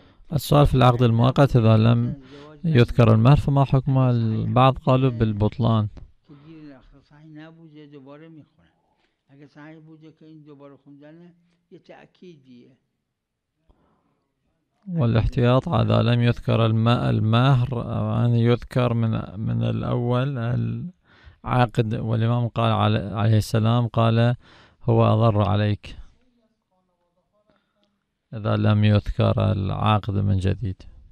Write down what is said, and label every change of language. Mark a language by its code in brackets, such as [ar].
[ar] السؤال: في العقد المؤقت إذا لم يذكر المهر فما حكم؟ البعض قالوا بالبطلان. [fa] صحيح نبوده دوباره میخونه، اگه صحيح بوده که این دوباره خوندن یه تأكيديه. [ar] والاحتياط: إذا لم يذكر المهر أن يذكر من الأول العقد، والإمام قال عليه السلام قال هو أضر عليك إذا لم يذكر العقد من جديد.